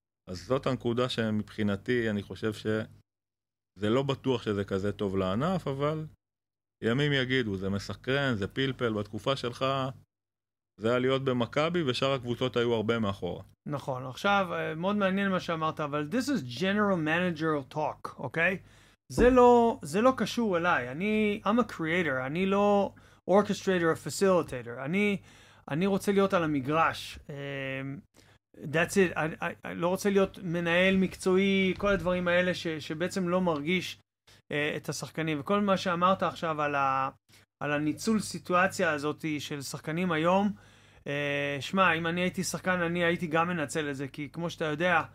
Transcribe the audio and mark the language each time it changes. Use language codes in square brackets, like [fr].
[he] אז זאת הנקודה שמבחינתי, אני חושב שזה לא בטוח שזה כזה טוב לענף, אבל ימים יגידו, זה מסקרן, זה פלפל, בתקופה שלך... זה היה להיות במכבי, ושאר הקבוצות היו הרבה מאחורה. נכון. עכשיו, מאוד מעניין מה שאמרת, אבל [en] this is general manager talk, [he] אוקיי? זה לא קשור אליי. [en] I'm a creator, [he] אני לא [en] orchestrator or facilitator. [he] אני רוצה להיות על המגרש. [en] That's it. [he] אני לא רוצה להיות מנהל מקצועי, כל הדברים האלה שבעצם לא מרגיש את השחקנים. וכל מה שאמרת עכשיו על הניצול סיטואציה הזאת של שחקנים היום, שמע, אם אני הייתי שחקן, אני הייתי גם מנצל את זה, כי כמו שאתה יודע,